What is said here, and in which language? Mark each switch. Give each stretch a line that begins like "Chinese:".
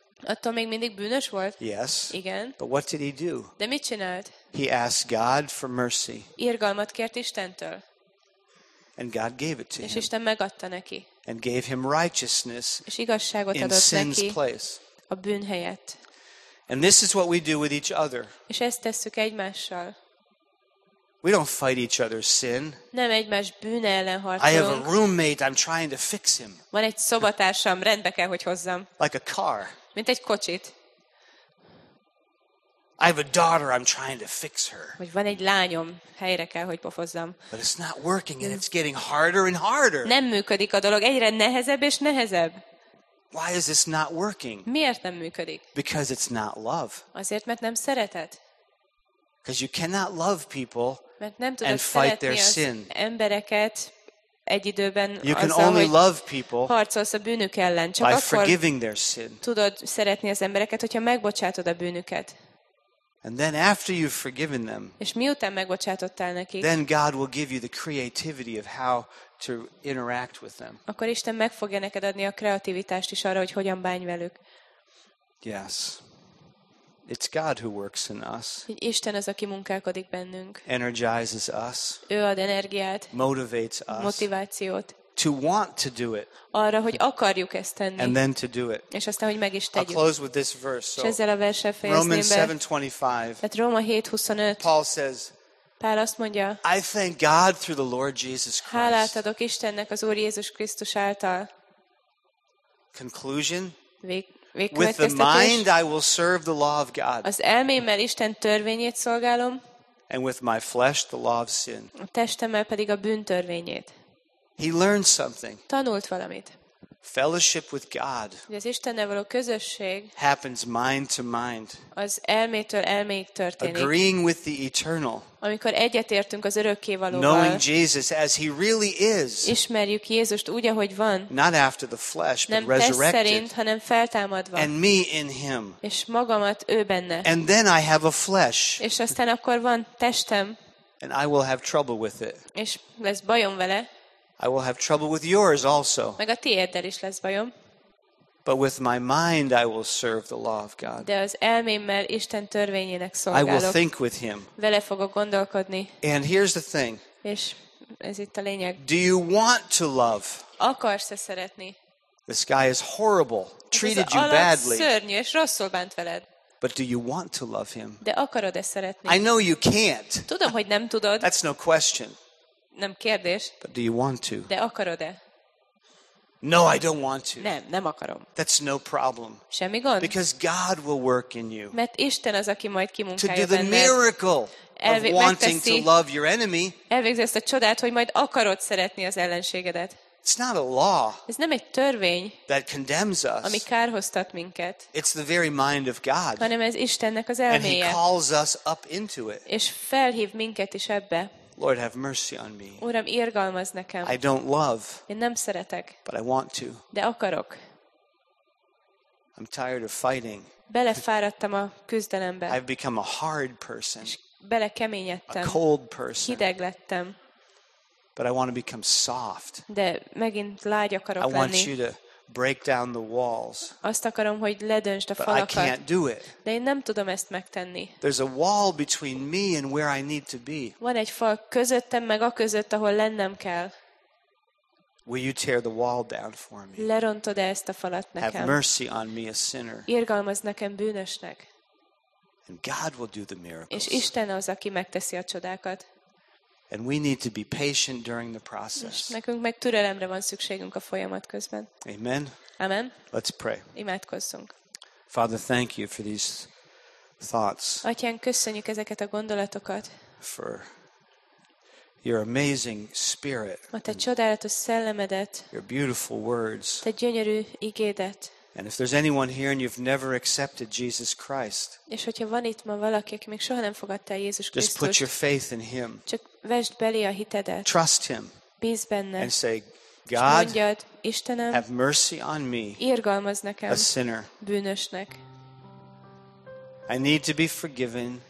Hungarian: Attól még mindig bűnös volt?
English: Yes.
Hungarian: Igen.
English: But what did he do?
Hungarian: De mit csinált?
English: He asked God for mercy.
Hungarian: Irgalmat kért Istentől.
English: And God gave it to him.
Hungarian: És Isten megadta neki.
English: And gave him righteousness.
Hungarian: És igazságot adott neki.
English: In sin's place.
Hungarian: A bűn helyett.
English: And this is what we do with each other.
Hungarian: És ezt tesszük egymással.
English: We don't fight each other's sin.
Hungarian: Nem egymás bűne ellen harcolunk.
English: I have a roommate, I'm trying to fix him.
Hungarian: Van egy szobatársam, rendbe kell, hogy hozzam.
English: Like a car.
Hungarian: Mint egy kocsit.
English: I have a daughter, I'm trying to fix her.
Hungarian: Vagy van egy lányom, helyre kell, hogy pofozzam.
English: But it's not working and it's getting harder and harder.
Hungarian: Nem működik a dolog, egyre nehezebb és nehezebb.
English: Why is this not working?
Hungarian: Miért nem működik?
English: Because it's not love.
Hungarian: Azért, mert nem szeretet.
English: Because you cannot love people and fight their sin.
Hungarian: Embereket egy időben
English: you can
Hungarian: azzal,
English: only love people
Hungarian: harcolsz a bűnük ellen, csak
English: by
Hungarian: akkor
English: forgiving their sin.
Hungarian: Tudod szeretni az embereket, hogyha megbocsátod a bűnüket.
English: And then after you've forgiven them,
Hungarian: és miután megbocsátottál nekik,
English: then God will give you the creativity of how to interact with them.
Hungarian: Akkor Isten meg fogja neked adni a kreativitást is arra, hogy hogyan bánj velük.
English: Yes. It's God who works in us.
Hungarian: Isten az, aki munkálkodik bennünk.
English: Energizes us.
Hungarian: Ő ad energiát.
English: Motivates us.
Hungarian: Motivációt.
English: To want to do it.
Hungarian: Arra, hogy akarjuk ezt tenni.
English: And then to do it.
Hungarian: És aztán, hogy meg is tegyük.
English: I'll close with this verse.
Hungarian: És ezzel a verssel fejezném
English: be. Romans 7:25.
Hungarian: Tehát Róma 7:25.
English: Paul says.
Hungarian: Pál azt mondja.
English: I thank God through the Lord Jesus Christ.
Hungarian: Hálát adok Istennek az Úr Jézus Krisztus által.
English: Conclusion. With the mind I will serve the law of God.
Hungarian: Az elmémmel Isten törvényét szolgálom.
English: And with my flesh the law of sin.
Hungarian: A testemmel pedig a bűn törvényét.
English: He learned something.
Hungarian: Tanult valamit.
English: Fellowship with God.
Hungarian: Az Istennel való közösség.
English: Happens mind to mind.
Hungarian: Az elmétől elméig történik.
English: Agreeing with the eternal.
Hungarian: Amikor egyetértünk az örökkévalóval.
English: Knowing Jesus as he really is.
Hungarian: Ismerjük Jézust úgy, ahogy van.
English: Not after the flesh,
Hungarian: nem
English: but resurrected.
Hungarian: Nem szerint, hanem feltámadva.
English: And me in him.
Hungarian: És magamat ő benne.
English: And then I have a flesh.
Hungarian: És aztán akkor van testem.
English: And I will have trouble with it.
Hungarian: És lesz bajom vele.
English: I will have trouble with yours also.
Hungarian: Meg a tiéddel is lesz bajom.
English: But with my mind I will serve the law of God.
Hungarian: De az elmémmel Isten törvényének szolgálok.
English: I will think with him.
Hungarian: Vele fogok gondolkodni.
English: And here's the thing.
Hungarian: És ez itt a lényeg.
English: Do you want to love?
Hungarian: Akarsz-e szeretni?
English: This guy is horrible. Treated you badly.
Hungarian: Szörnyű és rosszul bánt veled.
English: But do you want to love him?
Hungarian: De akarod-e szeretni?
English: I know you can't.
Hungarian: Tudom, hogy nem tudod.
English: That's no question.
Hungarian: Nem kérdés.
English: But do you want to?
Hungarian: De akarod-e?
English: No, I don't want to.
Hungarian: Nem, nem akarom.
English: That's no problem.
Hungarian: Semmi gond.
English: Because God will work in you.
Hungarian: Mert Isten az, aki majd kimunkálja benned.
English: To do the miracle of wanting to love your enemy.
Hungarian: Elvégzi ezt a csodát, hogy majd akarod szeretni az ellenségedet.
English: It's not a law.
Hungarian: Ez nem egy törvény.
English: That condemns us.
Hungarian: Ami kárhoztat minket.
English: It's the very mind of God.
Hungarian: Hanem ez Istennek az elméje.
English: And he calls us up into it.
Hungarian: És felhív minket is ebbe.
English: Lord, have mercy on me.
Hungarian: Uram, irgalmazz nekem.
English: I don't love.
Hungarian: Én nem szeretek.
English: But I want to.
Hungarian: De akarok.
English: I'm tired of fighting.
Hungarian: Belefáradtam a küzdelembe.
English: I've become a hard person.
Hungarian: Belekeményedtem.
English: A cold person.
Hungarian: Hideg lettem.
English: But I want to become soft.
Hungarian: De megint lágy akarok lenni.
English: I want you to break down the walls.
Hungarian: Azt akarom, hogy ledöntsd a falakat.
English: But I can't do it.
Hungarian: De én nem tudom ezt megtenni.
English: There's a wall between me and where I need to be.
Hungarian: Van egy fal közöttem meg a között, ahol lennem kell.
English: Will you tear the wall down for me?
Hungarian: Lerontod-e ezt a falat nekem?
English: Have mercy on me, a sinner.
Hungarian: Irgalmazz nekem bűnösnek.
English: And God will do the miracles.
Hungarian: És Isten az, aki megteszi a csodákat.
English: And we need to be patient during the process.
Hungarian: Nekünk meg türelemre van szükségünk a folyamat közben.
English: Amen.
Hungarian: Amen.
English: Let's pray.
Hungarian: Imádkozzunk.
English: Father, thank you for these thoughts.
Hungarian: Atyán, köszönjük ezeket a gondolatokat.
English: For your amazing spirit.
Hungarian: A te csodálatos szellemedet.
English: Your beautiful words.
Hungarian: Te gyönyörű igédet.
English: And if there's anyone here and you've never accepted Jesus Christ,
Hungarian: és hogyha van itt ma valaki, aki még soha nem fogadta Jézus Krisztust,
English: just put your faith in him.
Hungarian: Csak vesd belé a hitedet.
English: Trust him.
Hungarian: Bízz benne.
English: And say, God,
Hungarian: mondjad, Istenem,
English: have mercy on me,
Hungarian: irgalmazz nekem,
English: a sinner.
Hungarian: Bűnösnek.
English: I need to be forgiven.